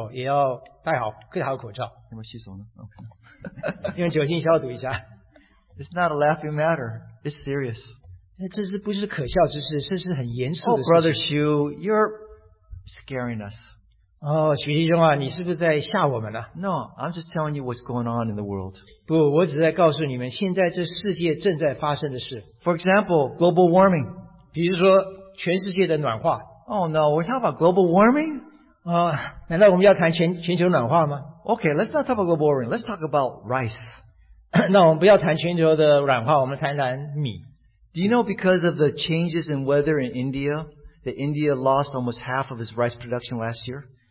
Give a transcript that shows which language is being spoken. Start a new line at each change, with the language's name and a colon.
Chinese: 那我们现在知道，现在这个疾病仍然在传播中，我们现在也要常常洗手，也要戴好口罩。你们洗手呢？
English: Okay.
Chinese: 用酒精消毒一下。
English: It's not a laughing matter. It's serious.
Chinese: 这是不是可笑之事，这是很严肃的事情。
English: Oh, Brother Xu, you're scaring us.
Chinese: 哦，许弟兄啊，你是不是在吓我们呢？
English: No, I'm just telling you what's going on in the world.
Chinese: 不，我只在告诉你们现在这世界正在发生的事。
English: For example, global warming.
Chinese: 比如说全世界的暖化。
English: Oh no, we're talking about global warming?
Chinese: 难道我们要谈全球暖化吗？
English: Okay, let's not talk about global warming. Let's talk about rice.
Chinese: 那我们不要谈全球的暖化，我们谈谈米。
English: Do you know because of the changes in weather in India, that India lost almost half of its rice production last year?